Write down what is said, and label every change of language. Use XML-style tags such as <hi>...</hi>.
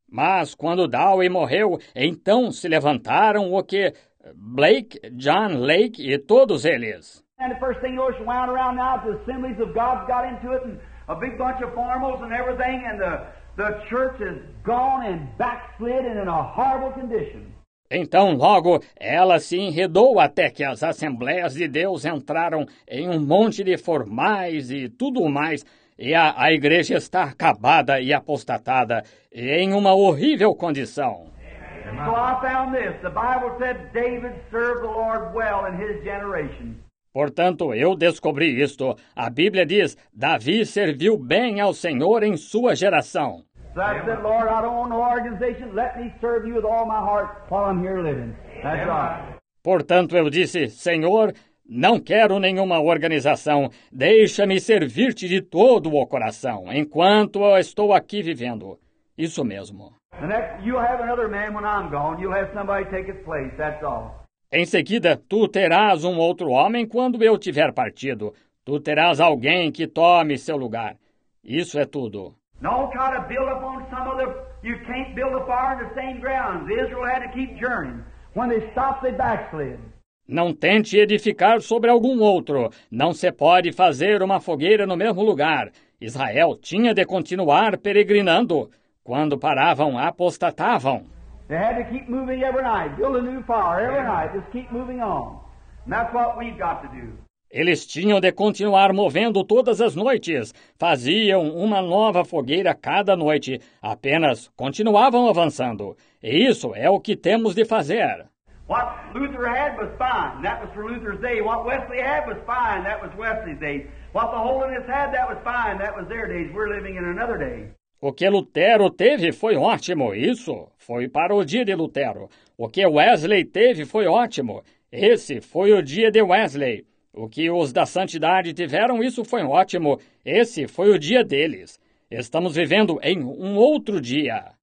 <pt>Mas quando Dowie morreu, então se levantaram o que? Blake, John Lake e todos eles.</pt> <en>And the first thing was wound around now, the assemblies of God got into it, and a big bunch of formals and everything, and the church is gone and backslid and in a horrible condition.</en> <pt>Então, logo, ela se enredou até que as Assembleias de Deus entraram em um monte de formais e tudo mais, e a igreja está acabada e apostatada, e em uma horrível condição.</pt> <en>So I found this. The Bible said David served the Lord well in his generation.</en> <pt>Portanto, eu descobri isto. A Bíblia diz, Davi serviu bem ao Senhor em sua geração.</pt> <en>So I said, Lord, I don't want no organization. Let me serve you with all my heart while I'm here living. That's right.</en> <pt>Portanto, eu disse, Senhor, não quero nenhuma organização. Deixa-me servir-te de todo o coração, enquanto eu estou aqui vivendo. Isso mesmo.</pt> <en>You'll have another man when I'm gone. You'll have somebody take his place. That's all.</en> <pt>Em seguida, tu terás um outro homem quando eu tiver partido. Tu terás alguém que tome seu lugar. Isso é tudo.</pt> <en>Don't try to build up on some other. You can't build a fire on the same ground. Israel had to keep journeying. When they stopped, they backslid.</en> <pt>Não tente edificar sobre algum outro. Não se pode fazer uma fogueira no mesmo lugar. Israel tinha de continuar peregrinando. Quando paravam, apostatavam.</pt> <en>They had to keep moving every night. Build a new fire every night. Just keep moving on. And that's what we've got to do.</en> <pt>Eles tinham de continuar movendo todas as noites. Faziam uma nova fogueira cada noite. Apenas continuavam avançando. E isso é o que temos de fazer.</pt> <en>What Luther had was fine. That was for Luther's day. What Wesley had was fine. That was Wesley's day. What the Holiness had, that was fine. That was their days. We're living in another day.</en> <pt>O que Lutero teve foi ótimo. Isso foi para o dia de Lutero. O que Wesley teve foi ótimo. Esse foi o dia de Wesley. O que os da santidade tiveram, isso foi ótimo. Esse foi o dia deles. Estamos vivendo em um outro dia.</pt>